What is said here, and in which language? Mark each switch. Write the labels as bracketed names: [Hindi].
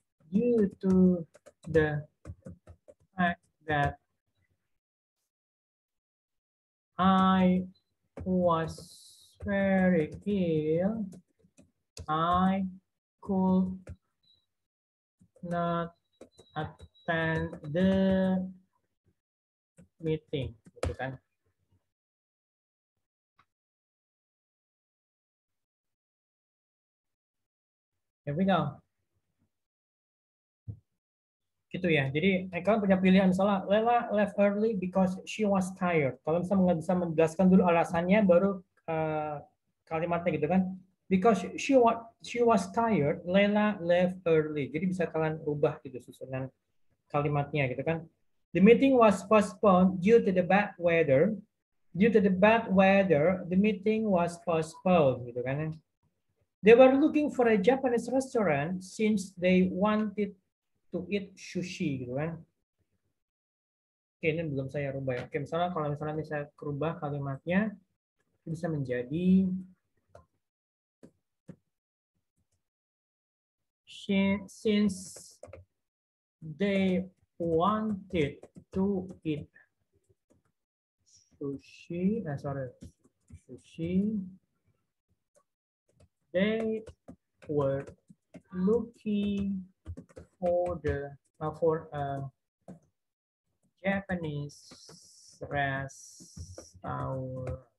[English] Due to the fact that I was very ill, I could not attend the meeting, [Indonesian] gitu kan? [English] Here we go. [Indonesian] Gitu ya. Jadi kalian punya pilihan. Misalnya [English] Lela left early because she was tired. [Indonesian] Kalian bisa menjelaskan dulu alasannya, baru kalimatnya gitu kan. [English] Because she was tired, Lela left early. [Indonesian] Jadi bisa kalian ubah gitu susunan kalimatnya gitu kan. [English] The meeting was postponed due to the bad weather. Due to the bad weather, the meeting was postponed [Indonesian] gitu kan. [English] They were looking for a Japanese restaurant since they wanted to eat sushi [Indonesian] gitu kan. Oke, ini belum saya rubah ya. Oke, misalnya kalau misalnya ini saya kerubah kalimatnya bisa menjadi [English] since they wanted to eat sushi, sushi, they were looking for a Japanese restaurant.